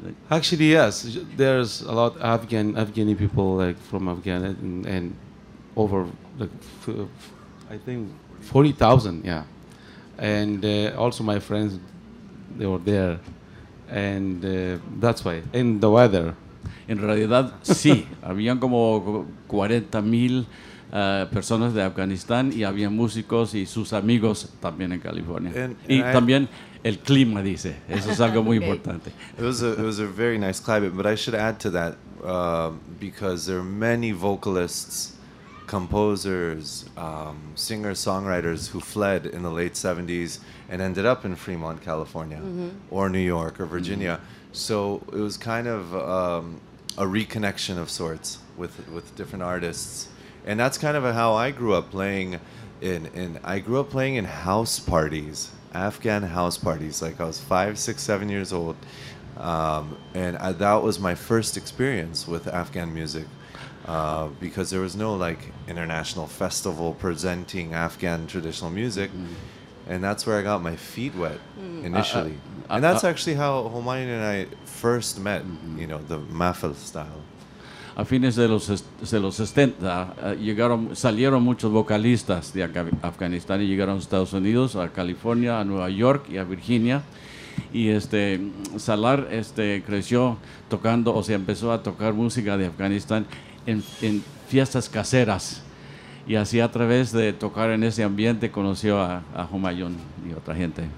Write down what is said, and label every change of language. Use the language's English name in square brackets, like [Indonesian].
[English] Actually, yes. There's a lot of Afghani people like from Afghanistan and over like I think 40,000. Yeah, and also my friends, they were there. And that's why, in the weather. [Spanish] En realidad, sí. Habían como 40,000 personas de Afganistán y había músicos y sus amigos también en California. También el clima, dice. Eso es algo muy importante. [English] It was a very nice climate, but I should add to that because there are many vocalists, composers, singer-songwriters who fled in the late 70s and ended up in Fremont, California, mm-hmm. or New York or Virginia. Mm-hmm. So it was kind of a reconnection of sorts with different artists. And that's kind of how I grew up playing in house parties, Afghan house parties. Like I was 5, 6, 7 years old. That was my first experience with Afghan music. Because there was no like international festival presenting Afghan traditional music, and that's where I got my feet wet initially. And that's actually how Humayun and I first met, you know, the mahfil style. [Spanish] A fines de los 70, salieron muchos vocalistas de Afganistán y llegaron a Estados Unidos, a California, a Nueva York y a Virginia. Y Salar creció tocando, o sea, empezó a tocar música de Afganistán en fiestas caseras, y así a través de tocar en ese ambiente conoció a Humayun y otra gente.